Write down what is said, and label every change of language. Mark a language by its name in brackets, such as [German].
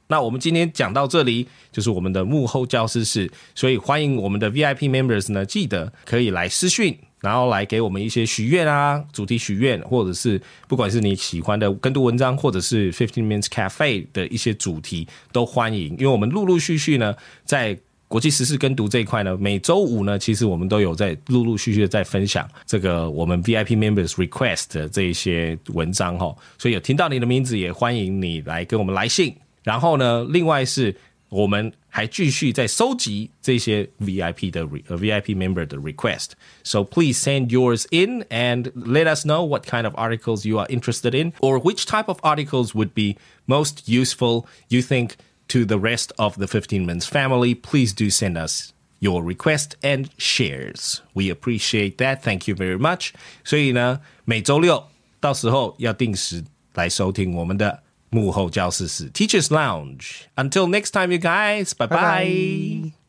[Chinese] 那我们今天讲到这里就是我们的幕后教室室，所以欢迎我们的 VIP members 呢，记得可以来私讯，然后来给我们一些许愿啊，主题许愿，或者是不管是你喜欢的跟读文章，或者是 15 Minutes Cafe 的一些主题都欢迎。因为我们陆陆续续呢在国际时事跟读这一块呢，每周五呢其实我们都有在陆陆续续的在分享这个我们 VIP Members Request 的这一些文章，所以有听到你的名字也欢迎你来跟我们来信。然后呢另外是我们还继续在收集这些 VIP member 的 request， [English] so please send yours in and let us know what kind of articles you are interested in or which type of articles would be most useful you think to the rest of the 15 Minutes family. Please do send us your request and shares. We appreciate that. Thank you very much. [Chinese] 所以呢，每周六到时候要定时来收听我们的幕后教室室 Teacher's Lounge. [English] Until next time, you guys. Bye-bye. Bye-bye.